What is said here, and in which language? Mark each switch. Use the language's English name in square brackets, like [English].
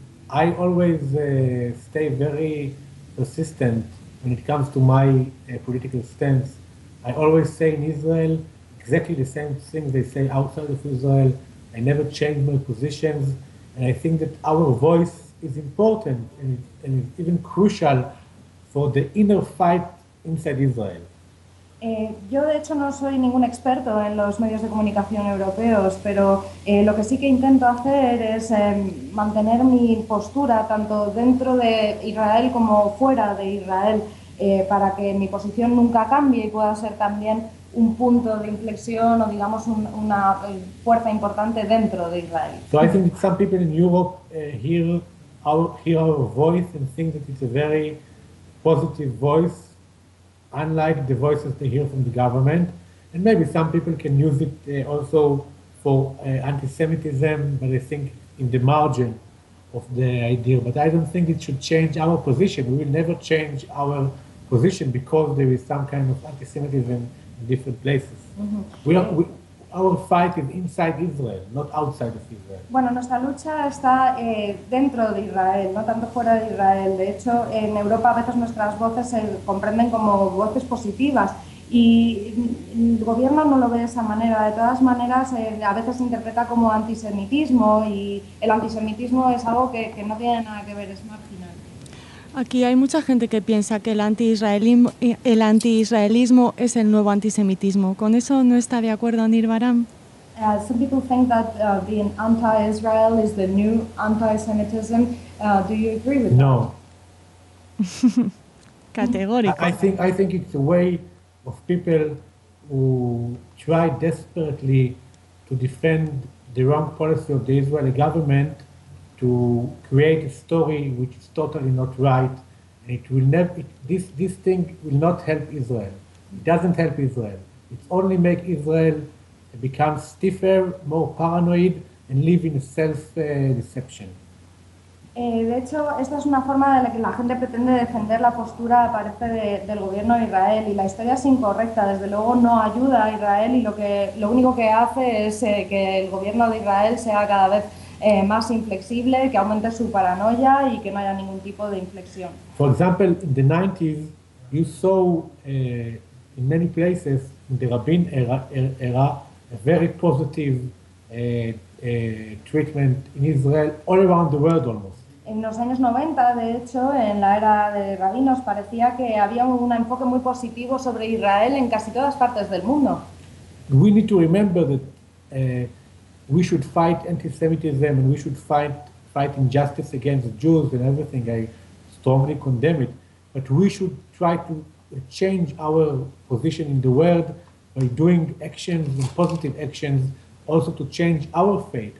[English] I always stay very persistent when it comes to my political stance. I always say in Israel exactly the same thing they say outside of Israel. I never change my positions, and I think that our voice is important and is even crucial for the inner fight inside Israel. [Spanish] Yo, de hecho, no soy ningún experto en los medios de comunicación europeos, pero lo que sí que intento hacer es mantener mi postura tanto dentro de Israel como fuera de Israel, para que mi posición nunca cambie y pueda ser también un punto de inflexión o, digamos, una fuerza importante dentro de Israel. [English] So I think some people in Europe hear our voice and think that it's a very positive voice, unlike the voices they hear from the government. And maybe some people can use it also for anti-Semitism, but I think in the margin of the idea. But I don't think it should change our position. We will never change our position because there is some kind of anti-Semitism in different places. Mm-hmm. Our fight is inside Israel, not outside of Israel. [Spanish] Bueno, nuestra lucha está dentro de Israel, no tanto fuera de Israel. De hecho, en Europa a veces nuestras voces se comprenden como voces positivas y el gobierno no lo ve de esa manera. De todas maneras, a veces se interpreta como antisemitismo y el antisemitismo es algo que no tiene nada que ver, es marginal. Aquí hay mucha gente que piensa que el anti-israelismo es el nuevo antisemitismo. ¿Con eso no está de acuerdo Nir Baram? [English] Some people think that being anti-Israel is the new anti-Semitism. Do you agree with no. that? No. [Spanish] Categórico. [English] I think it's a way of people who try desperately to defend the wrong policy of the Israeli government to create a story which is totally not right, and this thing will not help Israel. It doesn't help Israel. It only makes Israel become stiffer, more paranoid, and live in a self-deception. [Spanish] De hecho, esta es una forma de la que la gente pretende defender la postura, parece, del gobierno de Israel, y la historia es incorrecta. Desde luego no ayuda a Israel, y lo único que hace es que el gobierno de Israel sea cada vez más inflexible, que aumente su paranoia y que no haya ningún tipo de inflexión. [English] For example, in the 90s, you saw in many places, in the Rabin era, a very positive treatment in Israel, all around the world almost. [Spanish] En los años 90, de hecho, en la era de Rabin, nos parecía que había un enfoque muy positivo sobre Israel en casi todas partes del mundo. [English] We need to remember that we should fight anti-Semitism and we should fight injustice against Jews and everything. I strongly condemn it. But we should try to change our position in the world by doing actions and positive actions also to change our fate.